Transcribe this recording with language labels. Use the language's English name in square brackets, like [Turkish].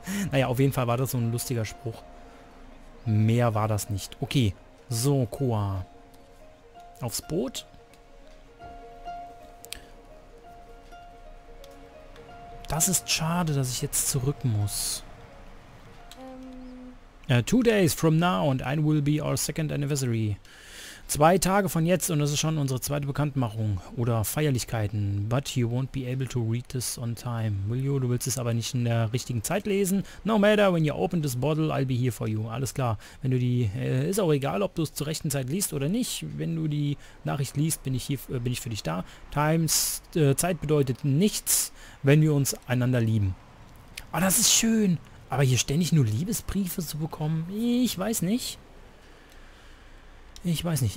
[German] Naja, auf jeden Fall war das so ein lustiger Spruch. Mehr war das nicht. Okay, so, Koa. Aufs Boot. Das ist schade, dass ich jetzt zurück muss. [English] Two days from now and I will be our second anniversary. [German] 2 Tage von jetzt und das ist schon unsere 2. Bekanntmachung oder Feierlichkeiten. [English] But you won't be able to read this on time. Will you? [German] Du willst es aber nicht in der richtigen Zeit lesen. [English] No matter, when you open this bottle, I'll be here for you. [German] Alles klar. Wenn du die, ist auch egal, ob du es zur rechten Zeit liest oder nicht. Wenn du die Nachricht liest, bin ich für dich da. Zeit bedeutet nichts, wenn wir uns einander lieben. Oh, das ist schön. Aber hier ständig nur Liebesbriefe zu bekommen, ich weiß nicht. Ich weiß nicht.